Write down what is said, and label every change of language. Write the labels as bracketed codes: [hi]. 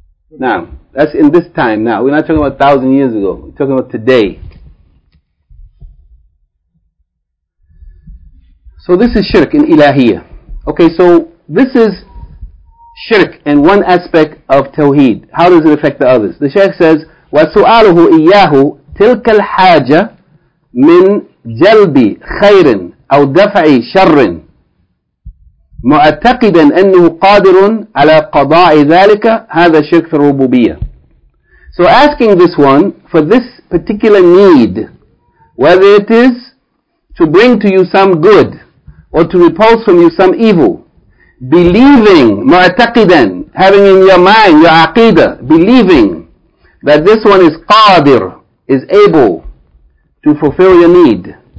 [en] Now, that's in this time now. We're not talking about 1,000 years ago. We're talking about today. So this is shirk in ilahiyah. Okay, so this is shirk in one aspect of tawheed. How does it affect the others? [ar] The Shaykh says, وَسُؤَالُهُ إِيَّاهُ تِلْكَ الْحَاجَةِ مِنْ جَلْبِ خَيْرٍ أَوْ دَفَعِ شَرٍ مُعَتَقِدًا أَنُّهُ قَادِرٌ عَلَى قَضَاءِ ذَلِكَ هَذَا شِرْكُ الرُّبُوبِيَّةِ. [en] So asking this one for this particular need, whether it is to bring to you some good or to repulse from you some evil, believing, مُعَتَقِدًا, having in your mind, your aqidah, believing that this one is qadir, is able to fulfill your need.